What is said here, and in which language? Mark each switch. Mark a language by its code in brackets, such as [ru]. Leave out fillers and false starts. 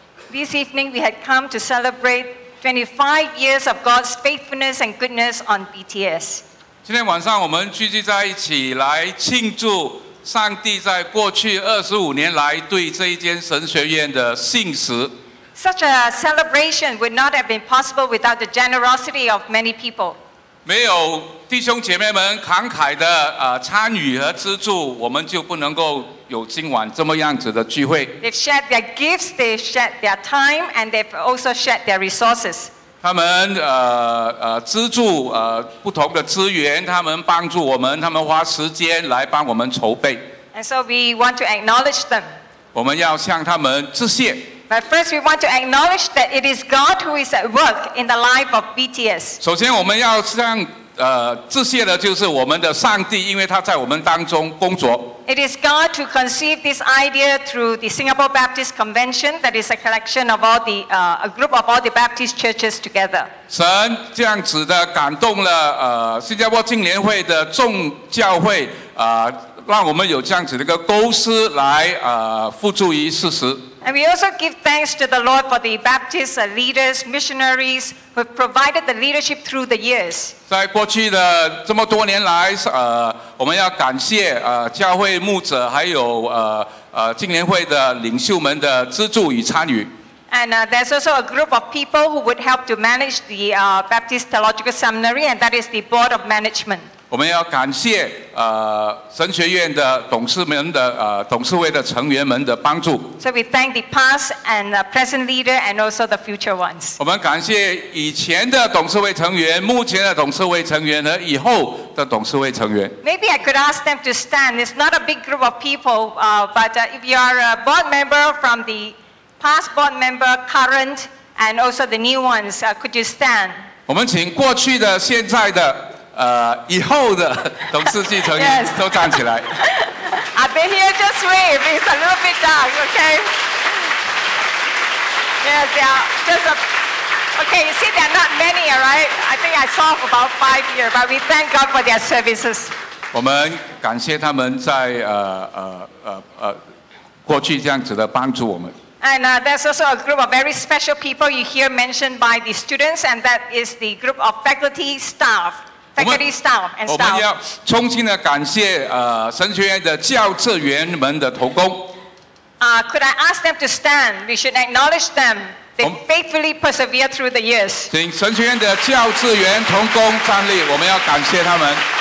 [en] this evening we had come to celebrate 25 years of God's faithfulness and goodness on BTS. [zh] 今天晚上我们聚集在一起来庆祝上帝在过去25年来对这一间神学院的信实。 [en] Such a celebration would not have been possible without the generosity of many people. [zh] 没有弟兄姐妹们慷慨的参与和资助，我们就不能够有今晚这么样子的聚会。 [en] They've shared their gifts, they've shared their time, and they've also shared their resources. [zh] 他们资助不同的资源，他们帮助我们，他们花时间来帮我们筹备。 [en] And so we want to acknowledge them. [zh] 我们要向他们致谢。 [en] But first, we want to acknowledge that it is God who is at work in the life of BTS. [zh] 首先，我们要向致谢的就是我们的上帝，因为他在我们当中工作。 [en] It is God who conceived this idea through the Singapore Baptist Convention, that is a collection of all the a group of all the Baptist churches together. [zh] 神这样子的感动了新加坡青年会的众教会让我们有这样子的一个构思来付诸于事实。 [en] And we also give thanks to the Lord for the Baptist leaders, missionaries who have provided the leadership through the years. [zh] 在过去的这么多年来，我们要感谢教会牧者还有青年会的领袖们的资助与参与。 [en] And there's also a group of people who would help to manage the Baptist Theological Seminary, and that is the Board of Management. [zh] 我们要感谢神学院的董事们的董事会的成员们的帮助。 [en] So we thank the past and the present leader and also the future ones. [zh] 我们感谢以前的董事会成员、目前的董事会成员和以后的董事会成员。 [en] Maybe I could ask them to stand. It's not a big group of people, but if you are a board member from the past board member, current, and also the new ones, could you stand? [zh] 我们请过去的、现在的。以后的董事继承人都站起来。 [en] I've been here just wave. It's a little bit dark, okay? Yes, they are just a... Okay, you see, there are not many, right? I think I saw about 5 years, but we thank God for their services. [zh] 我们感谢他们在过去这样子的帮助我们。 [en] And there's also a group of very special people you hear mentioned by the students, and that is the group of faculty staff. [zh] 我们要衷心的感谢神学院的教职员们的同工。 [en] Could I ask them to stand? We should acknowledge them. They faithfully persevered through the years. [zh] 请神学院的教职员同工站立，我们要感谢他们。